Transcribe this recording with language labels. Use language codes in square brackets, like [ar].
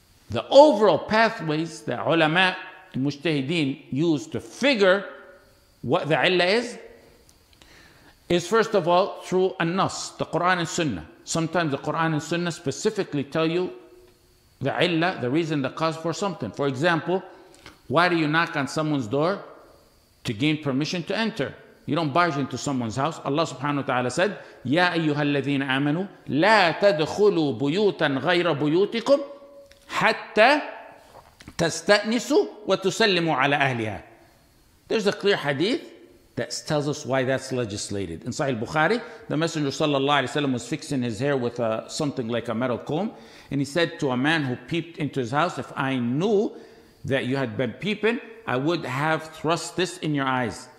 [en] The overall pathways that ulama and mujtahideen use to figure what the illah is first of all through an-nas, the Quran and Sunnah. Sometimes the Quran and Sunnah specifically tell you the illah, the reason, the cause for something. For example, why do you knock on someone's door to gain permission to enter? You don't barge into someone's house. Allah subhanahu wa ta'ala said, [ar] يَا أَيُّهَا الَّذِينَ آمَنُوا لَا تَدْخُلُوا بُيُوتًا غَيْرَ بُيُوتِكُمْ حَتَّى تَسْتَأْنِسُوا وَتُسَلِّمُوا عَلَىٰ أَهْلِهَا. [en] There's a clear hadith that tells us why that's legislated. In Sahih Bukhari, the Messenger sallallahu alayhi wa sallam was fixing his hair with something like a metal comb, and he said to a man who peeped into his house, if I knew that you had been peeping, I would have thrust this in your eyes.